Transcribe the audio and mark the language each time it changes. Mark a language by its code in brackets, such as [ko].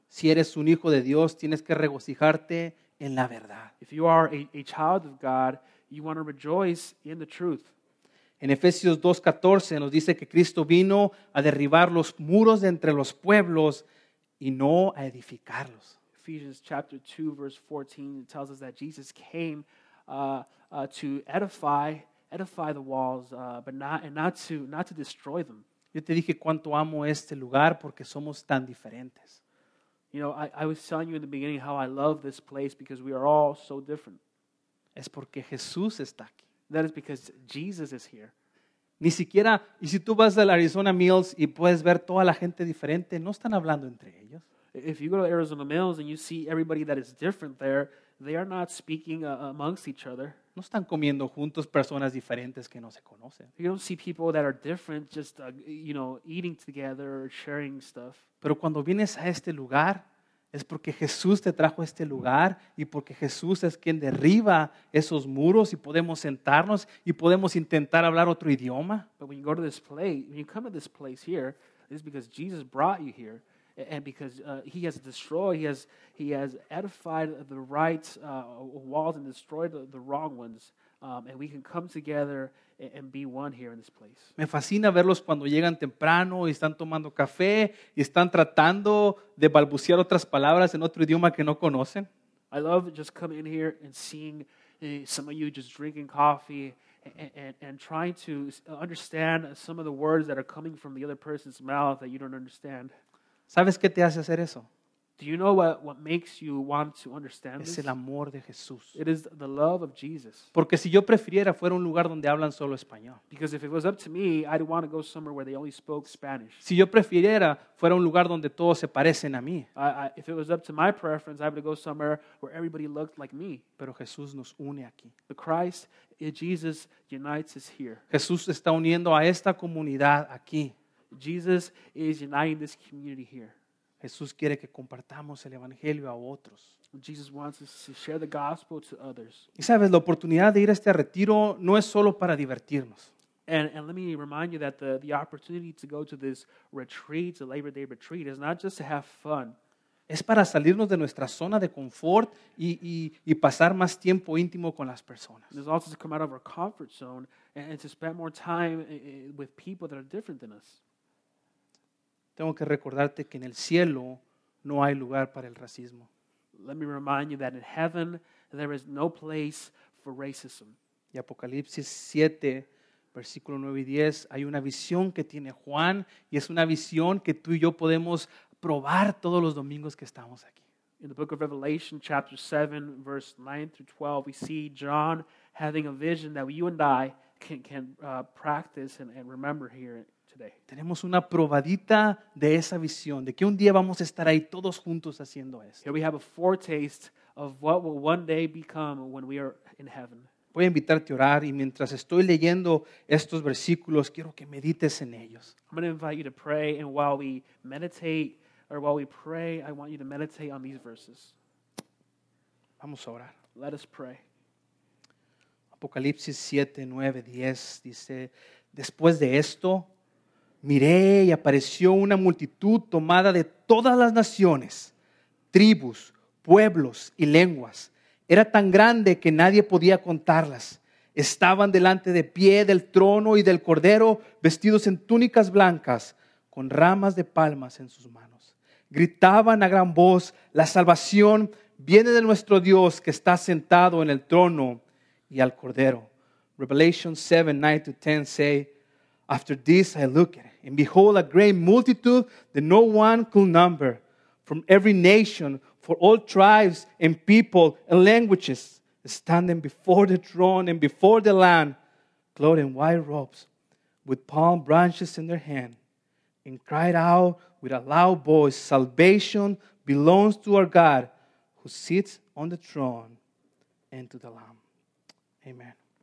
[es] Si eres un hijo de Dios, tienes que regocijarte en la verdad. [en] If you are a child of God, you want to rejoice in the truth. [es] En Efesios 2:14 nos dice que Cristo vino a derribar los muros de entre los pueblos y no a edificarlos. [en] Ephesians chapter 2 verse 14 tells us that Jesus came to edify the walls, but not to destroy them. [es] Yo te dije cuánto amo este lugar porque somos tan diferentes. [en] You know, I was telling you in the beginning how I love this place because we are all so different. [es] Es porque Jesús está aquí. [en] That is because Jesus is here. [es] Ni siquiera, y si tú vas al Arizona Mills y puedes ver toda la gente diferente, no están hablando entre ellos. [en] If you go to Arizona Mills and you see everybody that is different there, they are not speaking amongst each other. [es] No están comiendo juntos personas diferentes que no se conocen. [en] You don't see people that are different just, you know, eating together or sharing stuff. [es] Pero cuando vienes a este lugar, es porque Jesús te trajo a este lugar y porque Jesús es quien derriba esos muros y podemos sentarnos y podemos intentar hablar otro idioma. [en] But when you go to this place, when you come to this place here, it's because Jesus brought you here. And because he has destroyed, he has edified the right walls and destroyed the wrong ones. And we can come together and be one here in this place. [es] Me fascina verlos cuando llegan temprano y están tomando café y están tratando de balbucear otras palabras en otro idioma que no conocen. [en] I love just coming in here and seeing some of you just drinking coffee and trying to understand some of the words that are coming from the other person's mouth that you don't understand. [es] ¿Sabes qué te hace hacer eso? [en] Do you know what makes you want to understand this? [es] Es el amor de Jesús. [en] It is the love of Jesus. [es] Porque si yo prefiriera fuera un lugar donde hablan solo español. [en] Because if it was up to me, I'd want to go somewhere where they only spoke Spanish. [es] Si yo prefiriera fuera un lugar donde todos se parecen a mí. [en] If it was up to my preference, I would go somewhere where everybody looked like me. [es] Pero Jesús nos une aquí. [en] But Christ, Jesus unites us here. [es] Jesús está uniendo a esta comunidad aquí. [en] Jesus is uniting this community here. [es] Jesús quiere que compartamos el evangelio a otros. [en] Jesus wants us to share the gospel to others. [es] Y sabes, la oportunidad de ir a este retiro no es solo para divertirnos. [en] And let me remind you that the opportunity to go to this retreat, the Labor Day retreat, is not just to have fun. [es] Es para salirnos de nuestra zona de confort y pasar más tiempo íntimo con las personas. [en] It's also to come out of our comfort zone and to spend more time with people that are different than us. [es] Tengo que recordarte que en el cielo no hay lugar para el racismo. [en] Let me remind you that in heaven there is no place for racism. [es] Y Apocalipsis 7, versículo 9 y 10, hay una visión que tiene Juan y es una visión que tú y yo podemos probar todos los domingos que estamos aquí. [en] In the book of Revelation, chapter 7, verse 9 through 12, we see John having a vision that you and I can practice and remember here today. [es] Tenemos una probadita de esa visión, de que un día vamos a estar ahí todos juntos haciendo esto. [en] Here we have a foretaste of what will one day become when we are in heaven. [es] Voy a invitarte a orar y mientras estoy leyendo estos versículos, quiero que medites en ellos. [en] I'm going to invite you to pray and while we meditate, or while we pray, I want you to meditate on these verses. [es] Vamos a orar. [en] Let us pray. [es] Apocalipsis 7, 9, 10 dice, después de esto, miré y apareció una multitud tomada de todas las naciones, tribus, pueblos y lenguas. Era tan grande que nadie podía contarlas. Estaban delante de pie del trono y del cordero, vestidos en túnicas blancas, con ramas de palmas en sus manos. Gritaban a gran voz, la salvación viene de nuestro Dios que está sentado en el trono y al cordero. [en] Revelation 7, 9 to 10 say, after this I look at it, and behold a great multitude that no one could number, from every nation, for all tribes and people and languages, standing before the throne and before the Lamb, clothed in white robes, with palm branches in their hand, and cried out with a loud voice, "Salvation belongs to our God who sits on the throne and to the Lamb." Amen.